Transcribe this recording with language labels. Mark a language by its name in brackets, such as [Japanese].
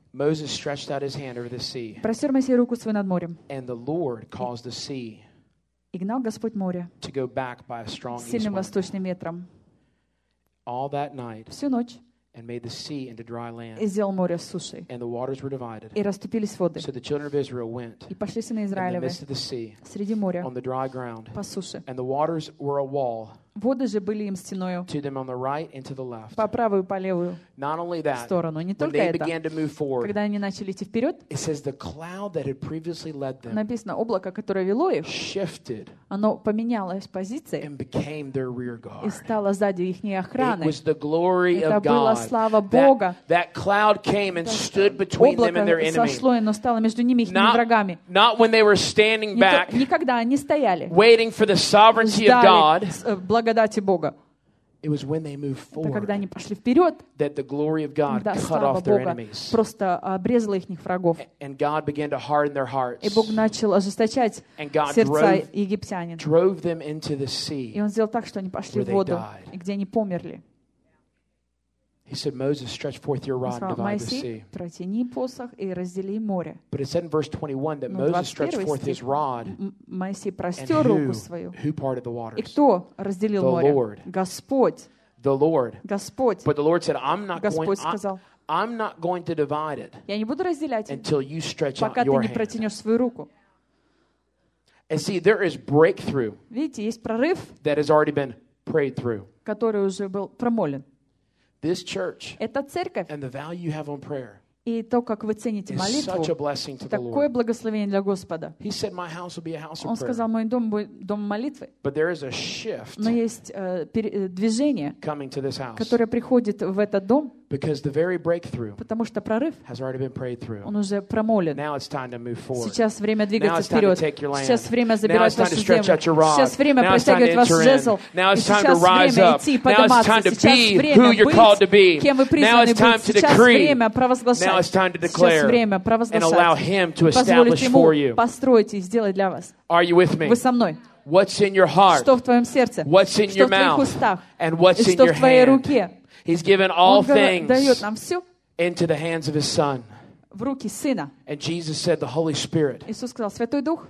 [English] Moses stretched out his hand over the sea. [Russian] Простёр Моисей руку свою над морем. [English] And the Lord caused the sea. [Russian] И гнал Господь море. [English] To go back by a strong east wind. [Russian] Сильным восточным ветром. [English] All that night. [Russian] Всю ночь. [English] And made the sea into dry land. [Russian] И сделал море сушей. [English] And the waters were divided. [Russian] И расступились воды. [English] So the children of Israel went. [Russian] И пошли сыны Израилевы. [English] In the midst of the sea. [Russian] Среди моря. [English] On the dry ground. [Russian] По суше. [English] And the waters were a wall. [Russian] Воды же были им стеною. [English] To them on the right and to the left. [Russian] По правую и по левую. [English] Not only that. [Russian] Сторону. Не только [English] they [Russian] это. [English] Began to move forward, [Russian] когда они начали идти вперед. [English] It says the cloud that had previously led them. [Russian] Написано, облако, которое вело их. [English] Shifted. [Russian] Оно поменялось позиции. [English] And became their rear guard. [Russian] И стало сзади ихней охраны. [English] It was the glory of God. [Russian] Это была слава Бога. [English] That cloud came and stood between them and their enemy. [Russian] Облако сошло, но стало между ними и их врагами. [English] Not when they were standing back. [Russian] Никогда они стояли. [English] Waiting for the sovereignty of God. [Russian] Благодати Бога. [English] It was when they moved forward, [Russian] это когда они пошли вперед, [English] that the glory of God [Russian] да, [English] cut off their enemies. [Russian] Просто обрезала их врагов. [English] And God began to harden their hearts. [Russian] И Бог начал ожесточать сердца египтянина. [English] Drove them into the sea. [Russian] И он сделал так, что они пошли в воду, [English] died. [Russian] Где они померли. [English] He said, Moses, stretch forth your rod and divide the sea. [Russian] Протяни посох и раздели море. [English] But it said in verse 21 that Moses stretched forth his rod. [Russian] Моисей простер руку свою. [English] Who parted the waters? [Russian] И кто разделил море? [English] The Lord. [Russian] Господь. [English] The Lord. [Russian] Господь. [English] But the Lord said, I'm not going to divide it. [Russian] Я не буду разделять. [English] Until you stretch out your [Russian] hand. Пока ты не протянешь свою руку. [English] And see, there is breakthrough. [Russian] Видите, есть прорыв. [English] That has already been prayed through. [Russian] Который уже был промолен. [English] This church [Russian] эта церковь, [English] and the value you have on prayer [Russian] и то, как вы цените молитву, [English] such a blessing to [Russian] такое благословение для Господа. [English] He said, my house will be a house of [Russian] Он сказал, мой дом будет домом молитвы. [English] But there is a shift [Russian] но есть движение, [English] coming to this house. [Russian] Которое приходит в этот дом, [English] Because the very breakthrough [Russian] потому что прорыв [English] has already been prayed through. [Russian] Он уже промолен. [English] Now it's time to move forward. [Russian] Сейчас время двигаться вперед. [English] Now it's time to take your land. [Russian] Сейчас время забирать вашу землю. [English] Now it's time to stretch out your rod. [Russian] Сейчас время протягивать ваш жезл. [English] Now it's time to rise up. Now it's time to be who you're called to be. Now it's time to decree. [Russian] Сейчас время провозглашать. [English] Now it's time to declare and allow Him to establish for you. [Russian] Построить и сделать для вас. [English] Are you with me? [Russian] Вы со мной? [English] What's in your heart? [Russian] Что в твоем сердце? [English] What's in your mouth? [Russian] Что в твоих устах? [English] And what's in your [Russian] твоей руке? [English] He's given all things [Russian] дает нам все [English] into the hands of His Son. [Russian] В руки Сына. [English] And Jesus said, the Holy Spirit [Russian] Иисус сказал, Святой Дух